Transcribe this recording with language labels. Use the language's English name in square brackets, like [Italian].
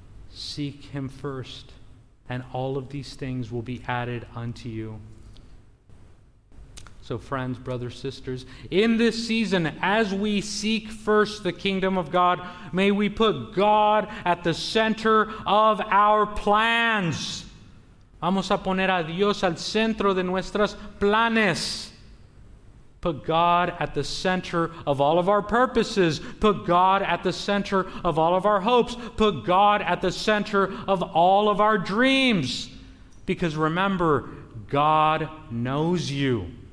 [English] Seek him first, and all of these things will be added unto you. So friends, brothers, sisters, in this season, as we seek first the kingdom of God, may we put God at the center of our plans. [Spanish] Vamos a poner a Dios al centro de nuestros planes. [English] Put God at the center of all of our purposes. Put God at the center of all of our hopes. Put God at the center of all of our dreams. Because remember, God knows you.